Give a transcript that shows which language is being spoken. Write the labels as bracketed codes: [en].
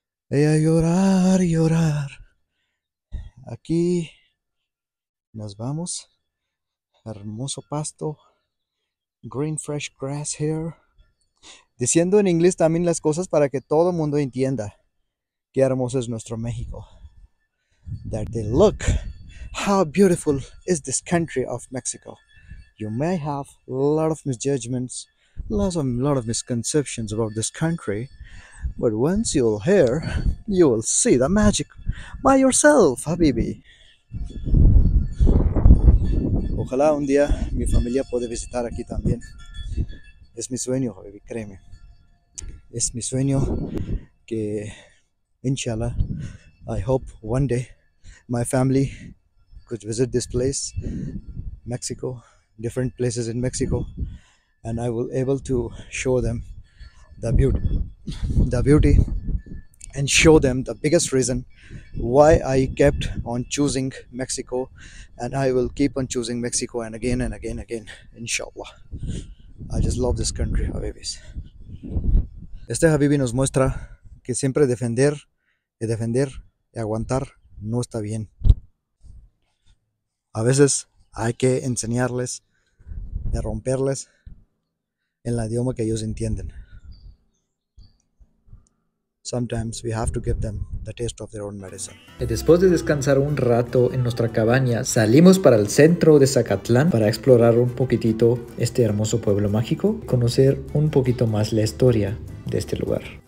[es] Y a llorar y llorar. Aquí nos vamos. Hermoso pasto. [en] Green fresh grass here. [es] Diciendo en inglés también las cosas para que todo el mundo entienda. Qué hermoso es nuestro México. [en] That they look, how beautiful is this country of Mexico. You may have a lot of misjudgments, a lot of misconceptions about this country, but once you'll hear, you will see the magic by yourself, Habibi. [es] Ojalá un día mi familia pueda visitar aquí también. Es mi sueño, Habibi, créeme. Es mi sueño que, [en] inshallah, I hope one day my family could visit this place, Mexico, different places in Mexico, and I will able to show them the beauty and show them the biggest reason why I kept on choosing Mexico, and I will keep on choosing Mexico and again and again and again, inshallah. I just love this country, Habibis. [es] Este Habibi nos muestra que siempre defender y aguantar no está bien. A veces hay que enseñarles y romperles en el idioma que ellos entienden. [en] Sometimes we have to give them the taste of their own medicine. [es] Después de descansar un rato en nuestra cabaña, salimos para el centro de Zacatlán para explorar un poquitito este hermoso pueblo mágico, conocer un poquito más la historia de este lugar.